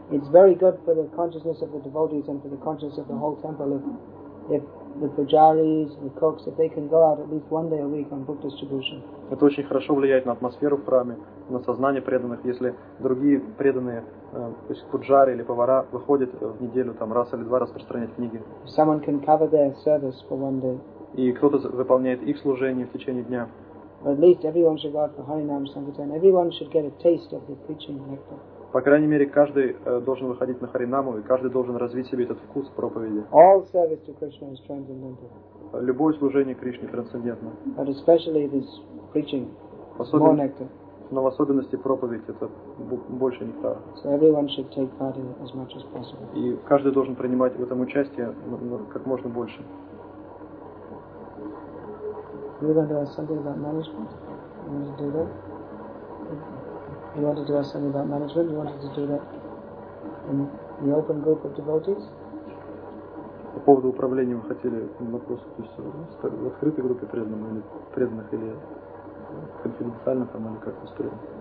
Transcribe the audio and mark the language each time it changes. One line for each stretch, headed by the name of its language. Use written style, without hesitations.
English: It's very good for the consciousness of the devotees and for the consciousness of the whole temple if the pujaris, the cooks, if they can go out at least one day a week on book distribution.
Russian: Это очень хорошо влияет на атмосферу в храме, на сознание преданных, если другие преданные, то есть пуджары или повара, выходят в неделю там раз или два распространять книги.
English: Someone can cover their service for one day.
Russian: И кто-то выполняет их служение в течение дня.
English: At least everyone should go out for Harinam Sankirtan. Everyone should get a taste of the preaching nectar.
Russian: По крайней мере, каждый должен выходить на Харинаму, и каждый должен развить себе этот вкус проповеди.
English: All service to Krishna is transcendental.
Russian: Любое служение Кришне трансцендентно.
English: But especially this preaching, more nectar.
Russian: Но в особенности проповедь — это больше нектара.
English: So everyone should take part in it as much as possible.
Russian: И каждый должен принимать в этом участие как можно больше.
English: You want to do something about management? You want to do that? You want to do something about management? You wanted to do that in the open group of devotees?
Russian: По поводу управления вы хотели вопрос, то есть в открытой группе преданных или преданных или конфиденциально там или как устроено?